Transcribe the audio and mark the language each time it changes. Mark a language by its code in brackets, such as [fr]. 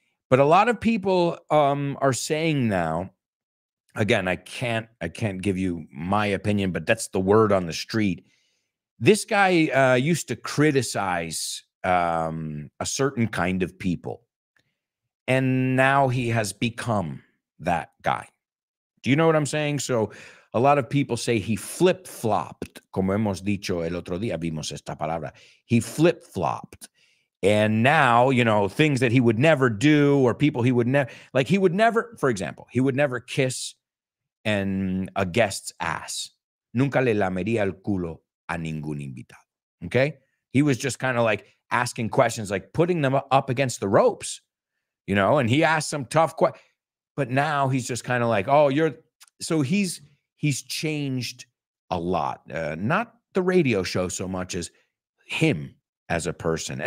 [en] But a lot of people are saying now, again, I can't give you my opinion, but that's the word on the street. This guy used to criticize a certain kind of people. And now he has become that guy. Do you know what I'm saying? So a lot of people say he flip-flopped. [es] Como hemos dicho el otro día, vimos esta palabra. [en] He flip-flopped. And now, you know, things that he would never do, or people he would never, like he would never, for example, he would never kiss a guest's ass. [es] Nunca le lamería el culo a ningún invitado. [en] Okay? He was just kind of like asking questions, like putting them up against the ropes, you know, and he asked some tough questions. But now he's just kind of like, oh, you're, so he's changed a lot. Not the radio show so much as him as a person.